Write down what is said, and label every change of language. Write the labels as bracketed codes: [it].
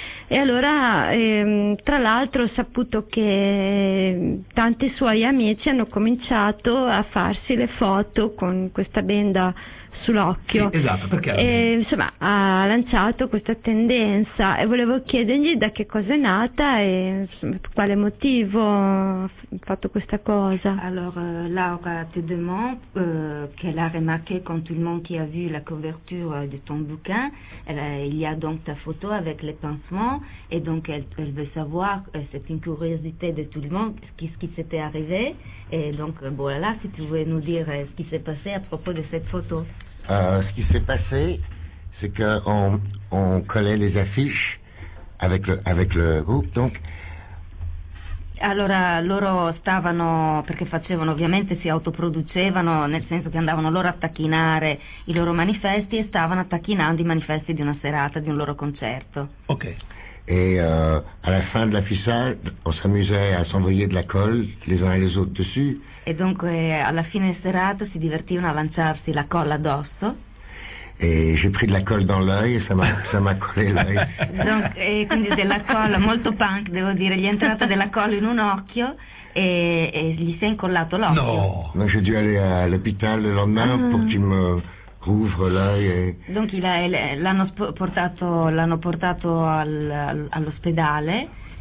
[it] E allora, tra l'altro, ho saputo che tanti suoi amici hanno cominciato a farsi le foto con questa benda sull'occhio. Sì, esatto, perché... Insomma, ha lanciato questa tendenza e volevo chiedergli da che cosa è nata e insomma, per quale motivo ha fatto questa cosa. Allora, [fr] Laura te demande che l'ha remarqué quand tout le monde qui a vu la couverture de ton bouquin, il y a donc ta photo avec les pansements, et donc elle veut savoir, c'est une curiosité de tout le monde, ce qui s'était arrivé, et donc voilà, si tu voulais nous dire ce qui s'est passé à propos de cette photo. Ce qui s'est passé, c'est qu'on collait les affiches avec le groupe, donc... [it] Allora, loro stavano, perché facevano, ovviamente si autoproducevano, nel senso che andavano loro a tacchinare i loro manifesti e stavano tacchinando i manifesti di una serata, di un loro concerto. Ok. Alla fine dell'affissage, [fr] on s'amusait à s'envoyer de la colle les uns et les autres dessus. [it] E dunque, alla fine della serata, si divertivano a lanciarsi la colla addosso. [fr] E j'ai pris de la colle dans l'œil et ça m'a collé l'œil. Donc, [it] e quindi della colla, molto punk, devo dire, gli è entrata della colla in un occhio e gli si è incollato l'occhio. No! [fr] J'ai dû aller à l'hôpital le lendemain pour qu'il me rouvre l'œil. Donc, [it] l'hanno portato all'ospedale.